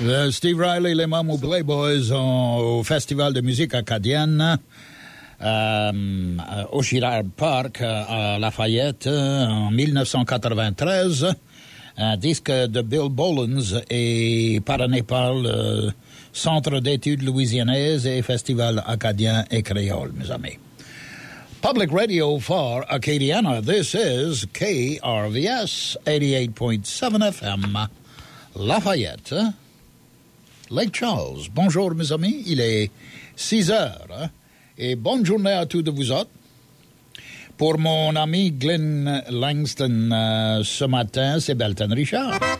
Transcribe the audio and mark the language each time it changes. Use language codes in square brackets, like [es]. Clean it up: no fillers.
[fr] Steve Riley, les Mamou Blay Boys au Festival de musique acadienne au Girard Park à Lafayette en 1993. Un disque de Bill Bolens et parrainé par le Centre d'études louisianaises et Festival acadien et créole, mes amis. [en] Public Radio for Acadiana, this is KRVS 88.7 FM Lafayette. [fr] Lake Charles, bonjour mes amis, il est 6h, et bonne journée à tous de vous autres. Pour mon ami Glenn Langston, ce matin, c'est Belton Richard.